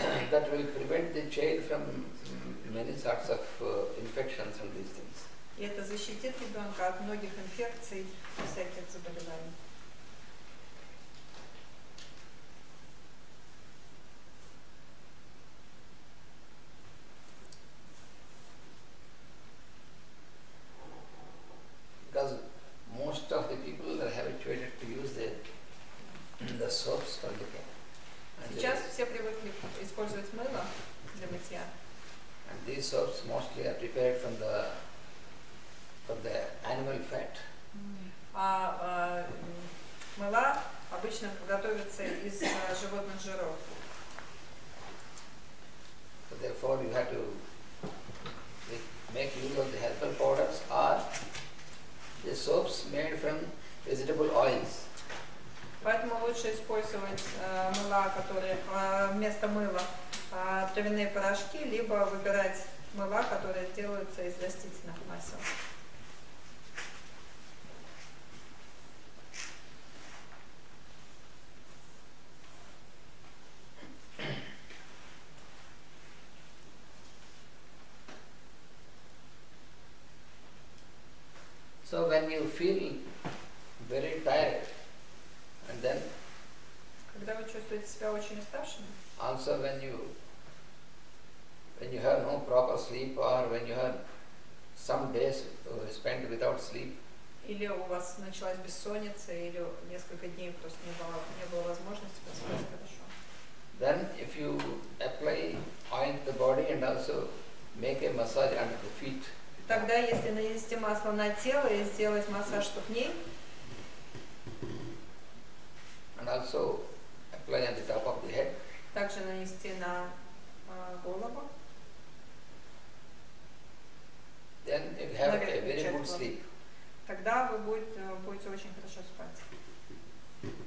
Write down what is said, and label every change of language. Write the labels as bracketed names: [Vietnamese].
[English] That will prevent the child from many sorts of infections and these things. [Russian] И это защитит ребенка от многих инфекций и всяких заболеваний. [English] Because most of the people are habituated to use the soaps for the care. [Russian] Сейчас все привыкли использовать мыло для мытья. [English] And these soaps mostly are prepared from the animal fat. [Russian] А мыло обычно готовится из животных жиров. [English] So therefore you have to make use of the herbal products or the soaps made from vegetable oils. [Russian] Поэтому лучше использовать мыла, которые вместо мыла травяные порошки, либо выбирать мыла, которые делаются из растительных масел. [English] So when you feel very tired, then, [Russian] когда вы чувствуете себя очень уставшим, [English] also when you have no proper sleep or when you have some days spent without sleep, [Russian] или у вас началась бессонница, или несколько дней просто не было возможности поспать хорошо, [English] then if you apply oil to the body and also make a massage under the feet, [Russian] тогда если нанести масло на тело и сделать массаж ступней, [English] and also apply on the top of the head. [Russian] Также нанести на голову. [English] Then you have a very good sleep. [Russian] Тогда вы будете очень хорошо спать.